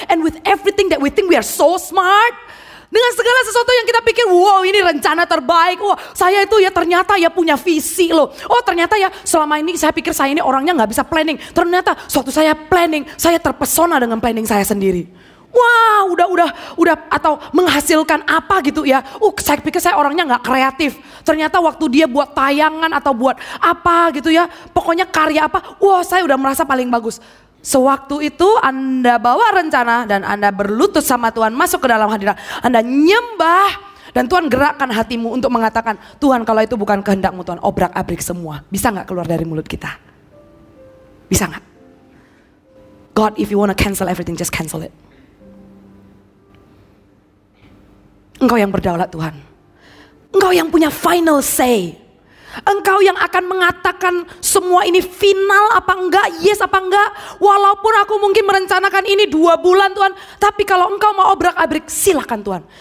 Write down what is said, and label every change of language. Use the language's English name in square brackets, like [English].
[English] And with everything that we think we are so smart. [Indonesian] Dengan segala sesuatu yang kita pikir, wow ini rencana terbaik. Wow, saya itu ya ternyata ya punya visi loh. Oh ternyata ya selama ini saya pikir saya ini orangnya gak bisa planning. Ternyata suatu saya planning, saya terpesona dengan planning saya sendiri. Wow, udah atau menghasilkan apa gitu ya. Saya pikir saya orangnya gak kreatif. Ternyata waktu dia buat tayangan atau buat apa gitu ya. Pokoknya karya apa, wow saya udah merasa paling bagus. Sewaktu itu Anda bawa rencana dan Anda berlutut sama Tuhan masuk ke dalam hadirat. Anda nyembah dan Tuhan gerakkan hatimu untuk mengatakan, Tuhan kalau itu bukan kehendakmu Tuhan, obrak-abrik semua. Bisa gak keluar dari mulut kita? Bisa gak? [English] God, if you wanna cancel everything, just cancel it. [Indonesian] Engkau yang berdaulat Tuhan. Engkau yang punya [English] final say. [Indonesian] Engkau yang akan mengatakan semua ini final apa enggak, yes apa enggak. Walaupun aku mungkin merencanakan ini 2 bulan Tuhan. Tapi kalau engkau mau obrak-abrik, silakan Tuhan.